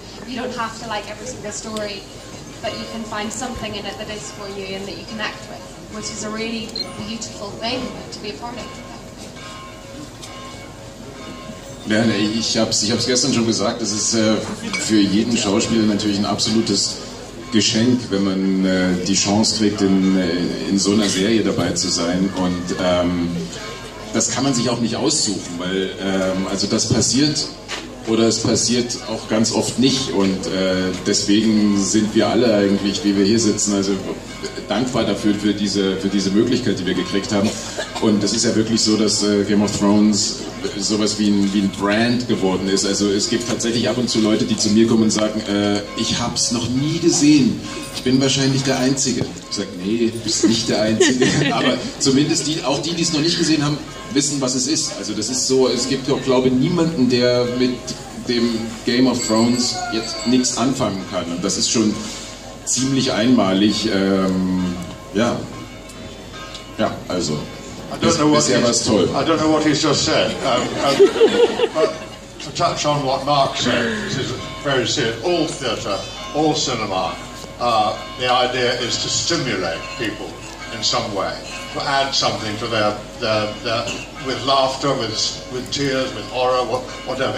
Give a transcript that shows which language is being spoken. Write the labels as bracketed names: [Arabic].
[English] You don't have to like every single story, that you can find something in it that is for you and that you connect with, which is a really beautiful thing to be a part of. [German] Ja, ich hab's gestern schon gesagt, es ist für jeden Schauspieler natürlich ein absolutes Geschenk, wenn man die Chance kriegt, in so einer Serie dabei zu sein. Und das kann man sich auch nicht aussuchen, weil also das passiert. Oder es passiert auch ganz oft nicht, und deswegen sind wir alle eigentlich, wie wir hier sitzen, also dankbar dafür, für diese Möglichkeit, die wir gekriegt haben. Und es ist ja wirklich so, dass Game of Thrones sowas wie ein Brand geworden ist. Also es gibt tatsächlich ab und zu Leute, die zu mir kommen und sagen, ich hab's noch nie gesehen, ich bin wahrscheinlich der Einzige. Ich sag, nee, du bist nicht der Einzige, aber zumindest die es noch nicht gesehen haben, wissen, was es ist. Also das ist so, es gibt auch, glaube ich, niemanden, der mit dem Game of Thrones jetzt nichts anfangen kann. Und das ist schon ziemlich einmalig. Ja, also [English] I don't know what he's just said. but to touch on what Mark said, this is very serious. All theatre, all cinema, the idea is to stimulate people in some way, to add something to their with laughter, with tears, with horror, whatever.